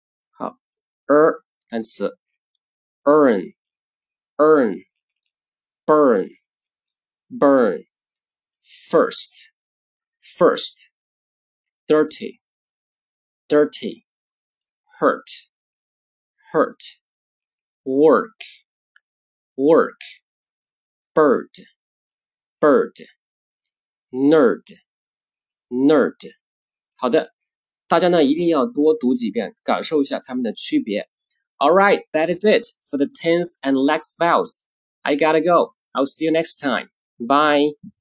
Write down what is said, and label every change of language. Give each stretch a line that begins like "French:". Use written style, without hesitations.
English: 好 ,er, 单词 ,earn, earn, burn, burn, first, first, dirty, dirty, hurt, hurt, work, work, bird, bird, nerd, nerd.
Chinese: 好的。大家呢一定要多读几遍，感受一下它们的区别。
English: Alright, that is it for the tense and lax vowels. I gotta go. I'll see you next time. Bye.